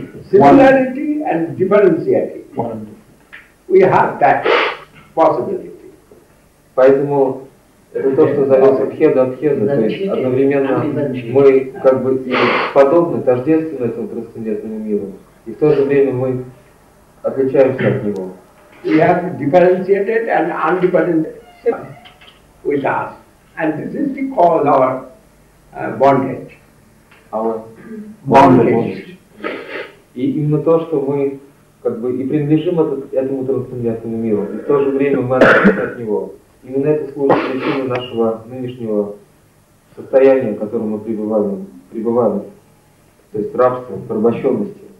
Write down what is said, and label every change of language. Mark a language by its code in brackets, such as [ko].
[en] Similarity and differentiating. We have that possibility. [ru] Поэтому это то, что зовется бхеда-бхеда, то есть одновременно мы как бы подобны, тождественны этому трансцендентному миру, и в то же время мы отличаемся от него. [en] We have differentiated and undifferentiated. With us, and this is the cause of our bondage. Our bondage. [ru] И именно то, что мы как бы и принадлежим этому трансцендентному миру, и в то же время мы отличаемся от него. Именно это служит причиной нашего нынешнего состояния, в котором мы пребываем, то есть рабство, порабощенности.